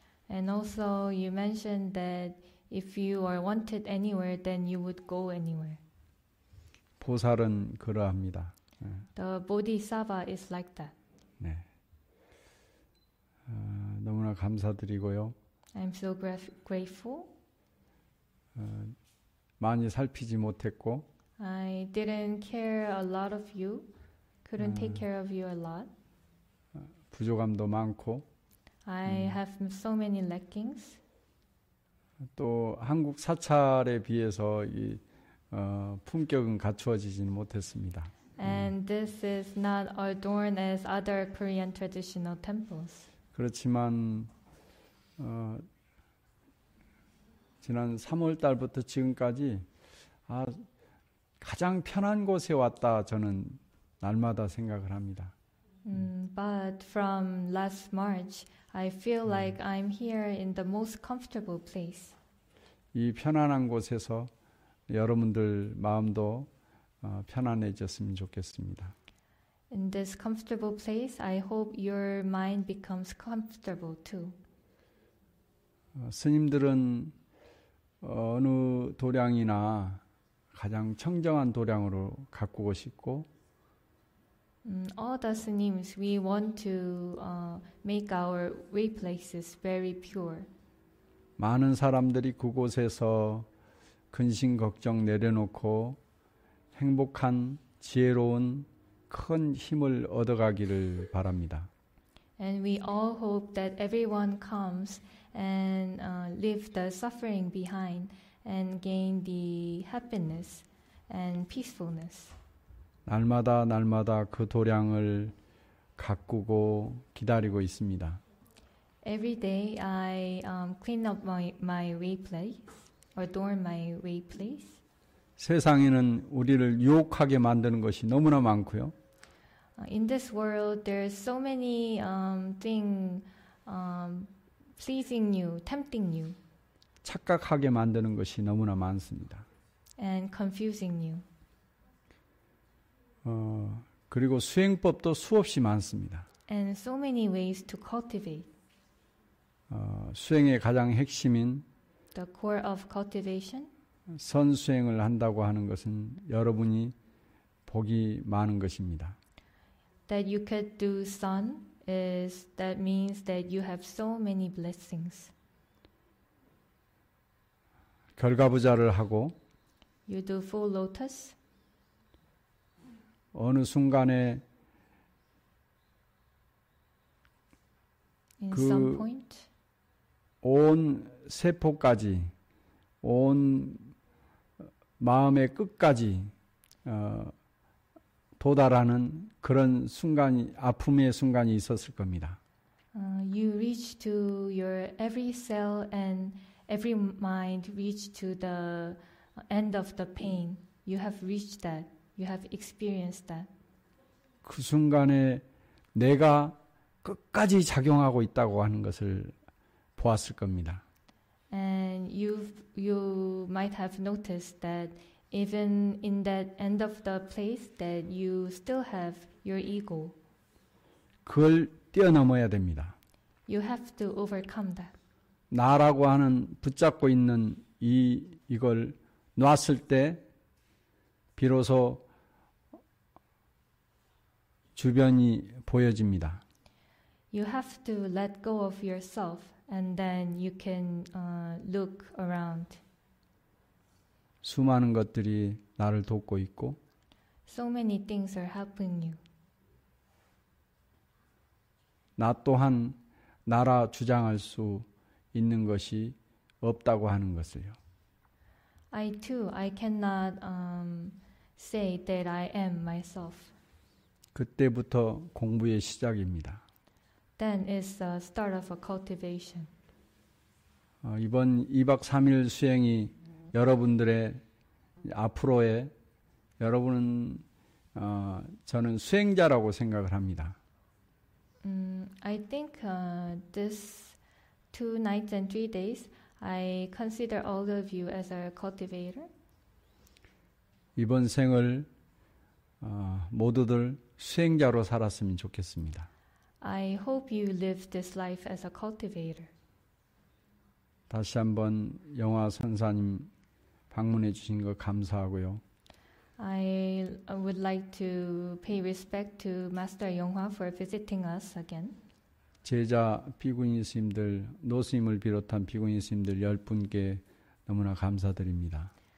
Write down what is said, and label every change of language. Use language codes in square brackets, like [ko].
[en] And also you mentioned that if you are wanted anywhere, then you would go anywhere. [ko] 보살은 그러합니다. [en] The Bodhisattva is like that. [ko] 네. 너무나 감사드리고요. [en] I'm so grateful. [ko] 많이 살피지 못했고. [en] I didn't care a lot of you. Couldn't take care of you a lot. [ko] 부족함도 많고. [en] I have so many lackings. [ko] 또 한국 사찰에 비해서 이 품격은 갖추어지지는 못했습니다. [en] And this is not adorned as other Korean traditional temples. [ko] 그렇지만 지난 3월 달부터 지금까지 가장 편한 곳에 왔다 저는 날마다 생각을 합니다. [en] But from last March, I feel like I'm here in the most comfortable place. [ko] 이 편안한 곳에서 여러분들 마음도 편안해졌으면 좋겠습니다. [en] In this comfortable place, I hope your mind becomes comfortable too. [ko] 스님들은 어느 도량이나 가장 청정한 도량으로 가꾸고 싶고 [en] All the snims, we want to make our way places very pure. [ko] 많은 사람들이 그곳에서 근심 걱정 내려놓고 행복한 지혜로운 큰 힘을 얻어가기를 바랍니다. [en] And we all hope that everyone comes and leave the suffering behind and gain the happiness and peacefulness. [ko] 날마다 날마다 그 도량을 가꾸고 기다리고 있습니다. [en] Every day I clean up my way place, adorn my way place. [ko] 세상에는 우리를 유혹하게 만드는 것이 너무나 많고요. [en] In this world, there are so many things pleasing you, tempting you. [ko] 착각하게 만드는 것이 너무나 많습니다. [en] And confusing you. [ko] 그리고 수행법도 수없이 많습니다. [en] And so many ways to cultivate. [ko] 수행의 가장 핵심인 [en] The core of cultivation. [ko] 선수행을 한다고 하는 것은 여러분이 복이 많은 것입니다. [en] That you could do sun is that means that you have so many blessings. [ko] 결과부자를 하고 [en] You do full lotus. [ko] 어느 순간에 [en] In [ko] 그 [en] some point. [ko] 온 세포까지 온 마음의 끝까지 도달하는 그런 순간이 아픔의 순간이 있었을 겁니다. [en] You reach to your every cell and every mind reach to the end of the pain. You have reached that. You have experienced that. [ko] 그 순간에 내가 끝까지 작용하고 있다고 하는 것을 보았을 겁니다. [en] And you might have noticed that even in that end of the place that you still have your ego. [ko] 그걸 뛰어넘어야 됩니다. [en] You have to overcome that. [ko] 나라고 하는 붙잡고 있는 이걸 놨을 때 비로소 주변이 보여집니다. [en] You have to let go of yourself. And then you can look around. [ko] 수많은 것들이 나를 돕고 있고. [en] So many things are helping you. [ko] 나 또한 나라 주장할 수 있는 것이 없다고 하는 것을요. [en] I too, I cannot say that I am myself. [ko] 그때부터 공부의 시작입니다. [en] Then is the start of a cultivation. [ko] 이번 2박 3일 수행이 여러분들의 앞으로의 여러분은 저는 수행자라고 생각을 합니다. [en] I think this two nights and three days, I consider all of you as a cultivator. [ko] 이번 생을 모두들 수행자로 살았으면 좋겠습니다. [en] I hope you live this life as a cultivator. [ko] 다시 한번 영화 선사님 방문해 주신 거 감사하고요. [en] I would like to pay respect to Master Yonghua for visiting us again. [ko] 제자 비구니 스님들, 노스님을 비롯한 비구니 스님들 열 분께 너무나 감사드립니다.